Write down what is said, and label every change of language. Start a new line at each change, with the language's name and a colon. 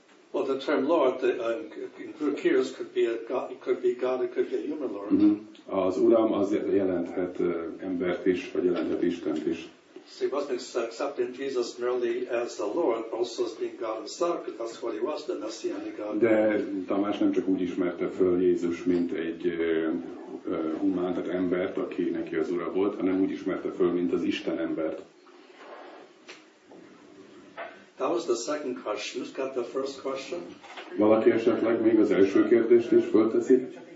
English: Well, the term Lord, in Greek here, it could be God, it could be a human Lord. Mm-hmm.
Hungarian: Az Uram az jelenthet embert is, vagy jelenthet Istent is.
English: So he wasn't accepting Jesus merely as the Lord, also as being God himself, because that's what he was, the Messianic God.
Hungarian: De Tamás nem csak úgy ismerte föl Jézus, mint egy humán, tehát embert, aki neki az Ura volt, hanem úgy ismerte föl, mint az Isten embert.
English: That was the second question. Who's got the first question?
Hungarian: Valaki esetleg még az első kérdést is fölteszi?